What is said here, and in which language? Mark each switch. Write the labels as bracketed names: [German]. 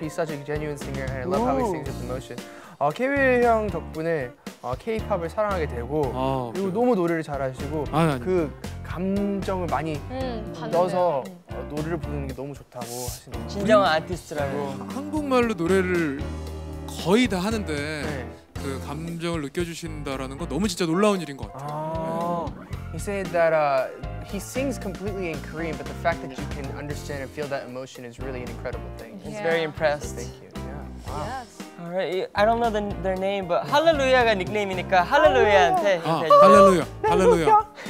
[English] He's such a genuine singer, and I love how he sings with emotion. [Korean] K.Will 형 덕분에 K-pop을 사랑하게 되고 그리고 너무 노래를 잘하시고 그 감정을 많이 넣어서 노래를 부르는 게 너무 좋다고 하시는 거예요. 진정한 아티스트라고. 한국말로 노래를 거의 다 하는데 네. 그 감정을 느껴주신다라는 건 너무 진짜 놀라운 일인 것 같아요. 네. [English] He said that he sings completely in Korean, but the fact that you can understand and feel that emotion is really an incredible thing. He's very impressed. So thank you. Yeah. Wow. Yes. All right. I don't know their name, but [Korean] Hallelujah가 닉네임이니까 할렐루야한테. 할렐루야. 할렐루야.